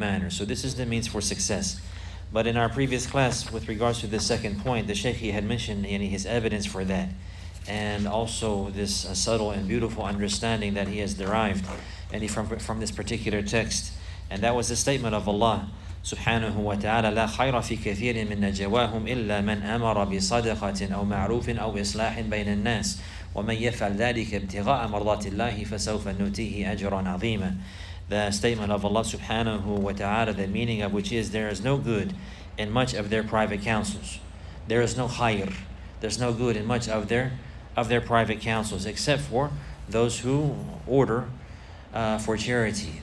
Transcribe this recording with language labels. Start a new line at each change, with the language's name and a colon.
English: So this is the means for success. But in our previous class, with regards to the second point, the Shaykh, he had mentioned his evidence for that, and also this subtle and beautiful understanding that he has derived from this particular text. And that was the statement of Allah subhanahu wa ta'ala,
Arabic: لا خير في كثير من نجواهم إلا من أمر بصدقة أو معروف أو إصلاح بين الناس وَمَنْ يَفْعَلْ ذَلِكَ ابْتِغَاءَ مَرْضَاتِ اللَّهِ فَسَوْفَ نُوتِيهِ أَجْرًا عَظِيمًا.
English: The statement of Allah subhanahu wa ta'ala, the meaning of which is, there is no good in much of their private counsels. There is no khayr. There's no good in much of their private counsels, except for those who order for charity.